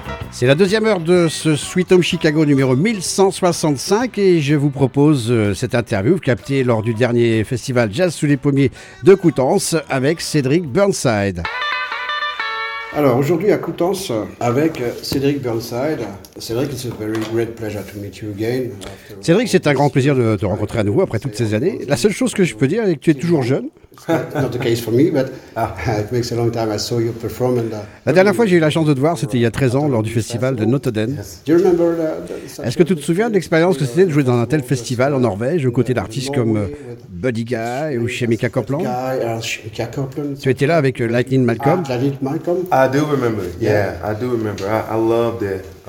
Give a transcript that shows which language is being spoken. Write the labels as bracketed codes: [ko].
[fr] C'est la deuxième heure de ce Sweet Home Chicago numéro 1165 et je vous propose cette interview captée lors du dernier festival Jazz sous les pommiers de Coutances avec Cédric Burnside. Alors aujourd'hui à Coutances avec Cédric Burnside. [en] Cédric, it's a very great pleasure to meet you again. [fr] Cédric, c'est un grand plaisir de te rencontrer à nouveau après toutes ces années. La seule chose que je peux dire est que tu es toujours jeune. [en] Not the case for me, but it makes a long time I saw you perform. And [fr] la dernière fois, j'ai eu la chance de te voir, c'était il y a 13 ans lors du festival de Notre Dame. Est-ce que tu te souviens de l'expérience que c'était de jouer dans un tel festival en Norvège, aux côtés d'artistes comme Buddy Guy ou Chemika Copeland? Tu étais là avec Lightning Malcolm. [en] I do remember. Yeah, I do remember. I loved it.